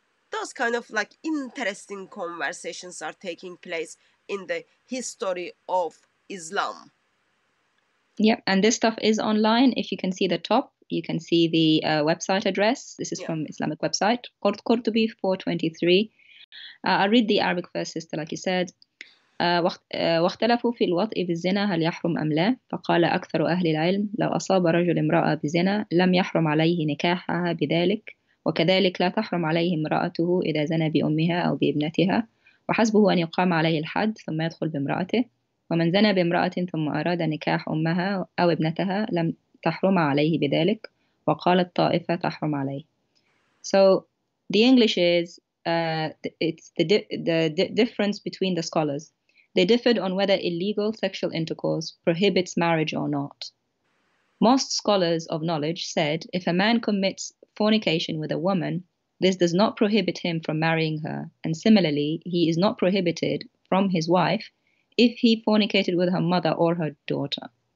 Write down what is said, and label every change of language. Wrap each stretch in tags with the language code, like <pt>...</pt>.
<en>Those kind of like interesting conversations are taking place in the history of Islam. Yep, and this stuff is online. If you can see the top, you can see the website address. This is from Islamic website, Qurtubi 423. I'll read the Arabic verse, sister, like you said.</en> <ar>واختلفوا في الوطء بالزنا هل يحرم أم لا؟ فقال أكثر أهل العلم لو أصاب رجل امرأة بزنا لم يحرم عليه نكاحها بذلك وكذلك لا تحرم عليه امرأته إذا زنى بأمها أو بابنتها وحسبه أن يقام عليه الحد ثم يدخل بامرأته ومن زنى بامرأة ثم أراد نكاح أمها أو ابنتها لم تحرم عليه بذلك وقال الطائفة تحرم عليه.</ar> <en>So the English is it's the difference between the scholars. They differed on whether illegal sexual intercourse prohibits marriage or not. Most scholars of knowledge said if a man commits fornication with a woman, this does not prohibit him from marrying her, and similarly, he is not prohibited from his wife if he fornicated with her mother or her daughter.</en>